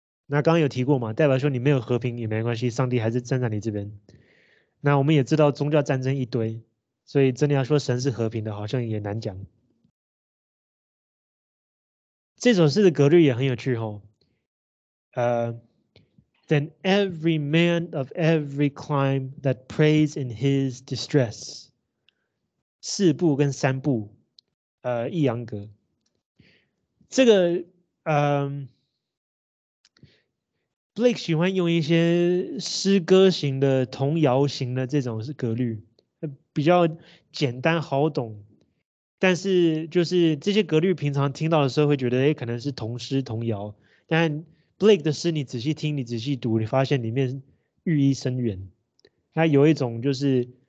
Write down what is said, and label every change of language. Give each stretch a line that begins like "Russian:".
Chinese: 那刚刚有提过嘛，代表说你没有和平也没关系，上帝还是站在你这边。那我们也知道宗教战争一堆，所以真的要说神是和平的好像也难讲。这首诗的格律也很有趣哦。
English: Then every man of every clime that prays in his distress。
Chinese: 四步跟三步抑扬格，这个Blake 喜欢用一些诗歌型的、童谣型的这种格律，比较简单好懂，但是就是这些格律平常听到的时候会觉得可能是童诗童谣，但Blake 的诗你仔细听，你仔细读，你发现里面寓意深远。它有一种就是